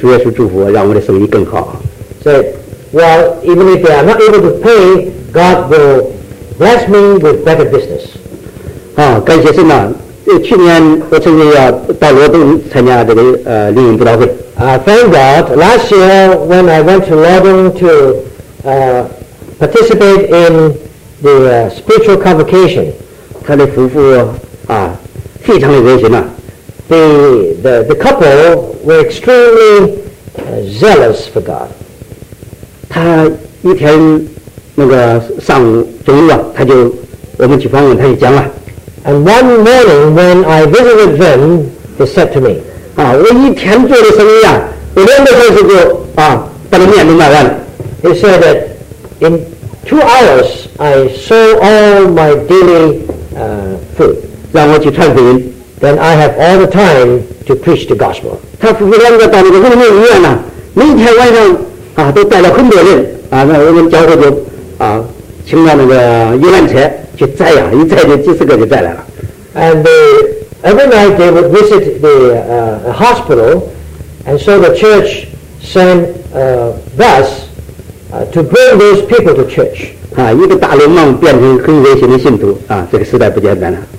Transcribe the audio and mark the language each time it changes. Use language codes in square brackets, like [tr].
[zh] 就说他们越来吃，越不给钱，我们主耶稣祝福，让我的生意更好。 [en] So, well, even if they are not able to pay, God will bless me with better business. [zh] 感谢神啊，去年我曾经要到罗东参加这个灵恩布道会。 [en] Thank God, last year when I went to London to participate in the spiritual convocation, [zh] 他的夫妇非常的热心啊。 [en] The couple were extremely zealous for God. [zh] 他一天那个上中午啊，他就我们去访问，他就讲了。 [en] And one morning when I visited them, they said to me, [zh] 我一天做的生意啊，我连着三十个把那面都卖完了。 [en] He said that in 2 hours, I sold all my daily food. [zh] 让我去传福音. [en] Then I have all the time to preach the gospel. [zh] 他服务两个大的护理医院呢，每天晚上啊都带了很多人啊，那我们教会就啊请了那个游览车去载呀，一载就几十个就载来了。 [en] And every night they would visit the hospital, and so the church sent a bus to bring those people to church. [zh] 啊，一个大流氓变成很热心的信徒啊，这个时代不简单了。